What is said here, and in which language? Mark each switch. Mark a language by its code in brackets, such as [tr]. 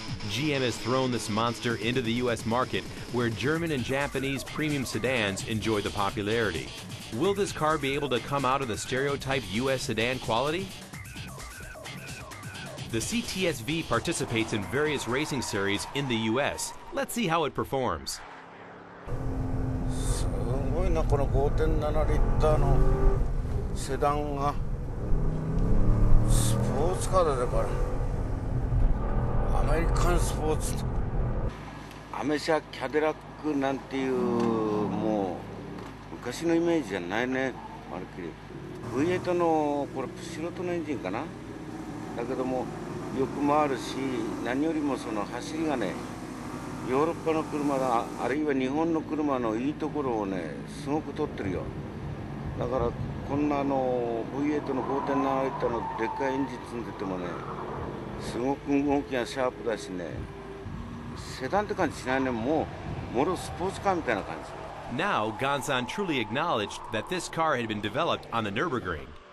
[en] GM has thrown this monster into the U.S. market where German and Japanese premium sedans enjoy the popularity. Will this car be able to come out of the stereotype U.S. sedan quality? The CTS-V participates in various racing series in the U.S. Let's see how it performs. [ja] すごいな、この 5.7 リッターのセダンがスポーツカーだぜ、これアメリカンスポーツ。アメ車キャデラックなんていう、もう昔のイメージじゃないね、まるっきり。 V8 のこれ素人のエンジンかな、だけどもよく回るし、何よりもその走りがね、ヨーロッパの車だ、あるいは日本の車のいいところをね、すごく取ってるよ。だからこんなあの V8 の 5.7 リッターのでっかいエンジン積んでてもね、すごく動きがシャープだしね、セダンって感じしないね、もうもろスポーツカーみたいな感じ。 [en] Now, Gonzon truly acknowledged that this car had been developed on the Nürburgring.